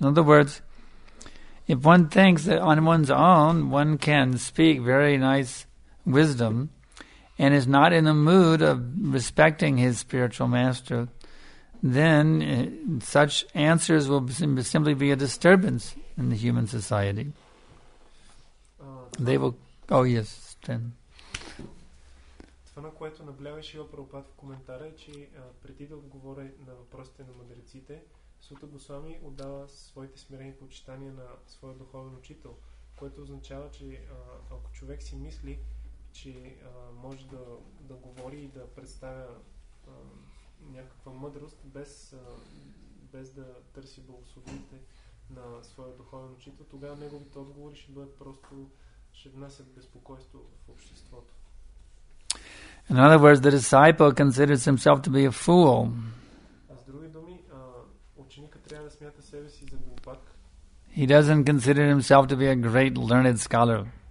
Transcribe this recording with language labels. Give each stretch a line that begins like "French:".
English: In other words, if one thinks that on one's own, one can speak very nice wisdom, and is not in the mood of respecting his spiritual master, then such answers will simply be a disturbance in the human society. They will... Oh, yes, Stan.
Bulgarian: Това, на което наблява Шрила Прабхупада в коментара, е, че преди да отговоря на въпросите на мъдреците, Сута Госвами отдава своите смирени почитания на своя духовен учител, което означава, че ако човек си мисли, че може да говори и да представя някаква мъдрост без да търси благословите на своя духовен учител, тогава неговите отговори ще бъдат просто, ще внасят безпокойство в обществото.
English: In other words, the disciple considers himself to be a fool.
Bulgarian: С други думи, ученикът трябва да смята себе си за глупак.
English: He doesn't consider himself to be a great learned scholar.